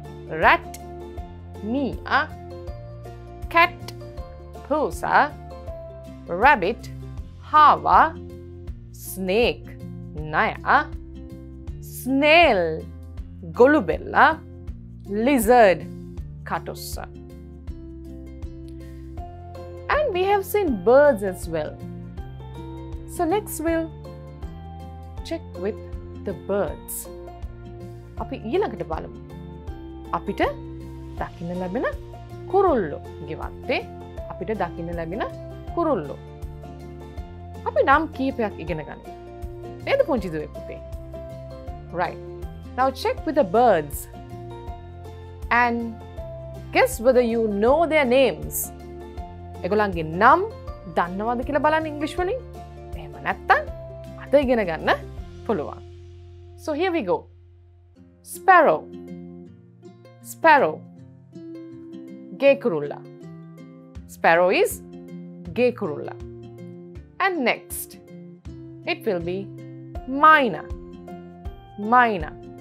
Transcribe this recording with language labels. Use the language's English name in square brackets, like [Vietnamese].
[English] rat, [Sinhala] mia, [English] cat, [Sinhala] pusa, [English] rabbit, [Sinhala] hava, [English] snake, [Sinhala] naya, [English] snail, [Sinhala] golubella, [English] lizard, [Sinhala] katussa. [English] And we have seen birds as well. So next we'll check with the birds. [Sinhala] අපි ඊළඟට බලමු. අපිට දකින්න ලැබෙන කුරුල්ලෝ ගෙවත්තේ අපිට දකින්න ලැබෙන කුරුල්ලෝ. අපි නම් කීපයක් ඉගෙන ගනිමු. නේද පුංචි දුවේ පුතේ? [English] Right. Now check with the birds. And guess whether you know their names. [Sinhala] ඒගොල්ලන්ගේ නම් දන්නවද කියලා බලන්න ඉංග්‍රීසි වලින්. එහෙම නැත්තම් අද ඉගෙන ගන්න පුළුවන්. [English] So here we go. Sparrow, sparrow, [Sinhala] gay kurulla. [English] Sparrow is [Sinhala] gay kurulla. [English] And next, it will be myna, myna.